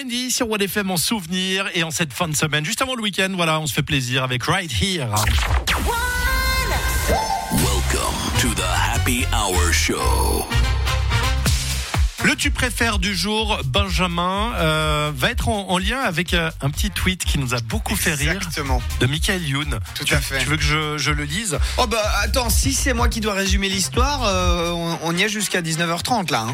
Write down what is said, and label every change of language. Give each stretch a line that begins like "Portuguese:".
French: Sur What FM en souvenir et en cette fin de semaine, juste avant le week-end, voilà, on se fait plaisir avec Right Here.
English: Welcome to the Happy Hour Show.
French: Le tu préfères du jour, Benjamin, va être en lien avec un petit tweet qui nous a beaucoup Exactement. Fait rire. Exactement. De Michael Youn. Tout tu, à fait. Tu veux que je le lise? Oh bah attends, si c'est moi qui dois résumer l'histoire, on y est jusqu'à 19h30 là. Hein.